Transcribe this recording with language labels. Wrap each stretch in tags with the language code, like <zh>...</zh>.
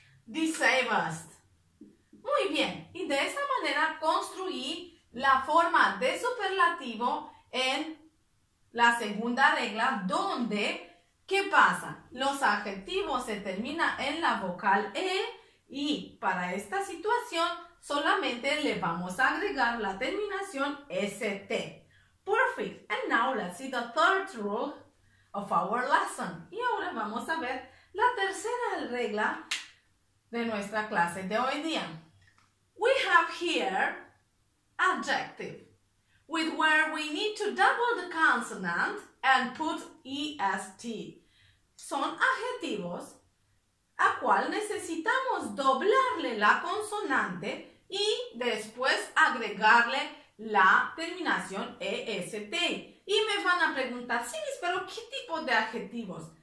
<en>The safest.</en> <es>Muy bien. Y de esa manera construí la forma de superlativo en la segunda regla, donde, ¿qué pasa? Los adjetivos se terminan en la vocal E y para esta situación solamente le vamos a agregar la terminación ST.</es> <en>Perfect. And now let's see the third rule of our lesson.</en> <es>Y ahora vamos a ver la tercera regla de nuestra clase de hoy día.</es> <en>We have here adjective with where we need to double the consonant and put EST.</en> <es>Son adjetivos a cual necesitamos doblarle la consonante y después agregarle la terminación EST. Y me van a preguntar, sí, pero ¿qué tipo de adjetivos?</es>